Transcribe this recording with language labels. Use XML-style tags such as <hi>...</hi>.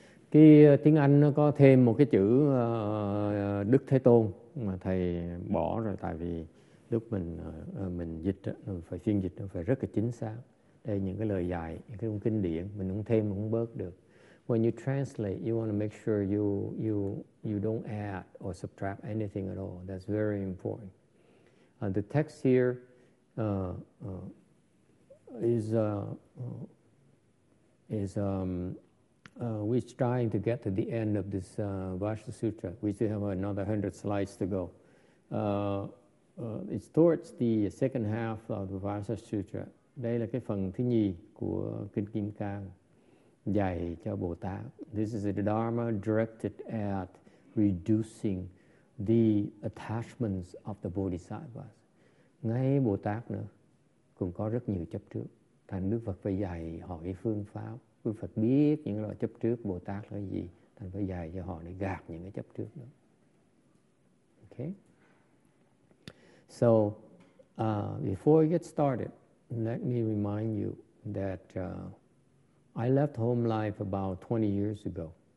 <vi>Cái tiếng Anh nó có thêm một cái chữ Đức Thế Tôn mà thầy bỏ rồi tại vì lúc mình dịch đó, phải phiên dịch nó phải rất là chính xác. Đây những cái lời dạy, những cái kinh điển mình không thêm không bớt được.</vi> <en>When you translate, you want to make sure you don't add or subtract anything at all. That's very important. And the text here we're trying to get to the end of this Vajra Sutra. We still have another 100 slides to go. It's towards the second half of the Vajra Sutra.</en> <vi>Đây là cái phần thứ nhì của Kinh Kim Cang dạy cho Bồ Tát.</vi> <en>This is a Dharma directed at reducing the attachments of the Bodhisattvas.</en> <vi>Ngay Bồ Tát nữa cũng có rất nhiều chấp trước. Thành Đức Phật phải dạy họ cái phương pháp. Đức Phật biết những loại chấp trước Bồ Tát là gì. Thành phải dạy cho họ để gạt những cái chấp trước đó. Okay.</vi> <en>So, before we get started, let me remind you that I left home life about 20 years ago.</en>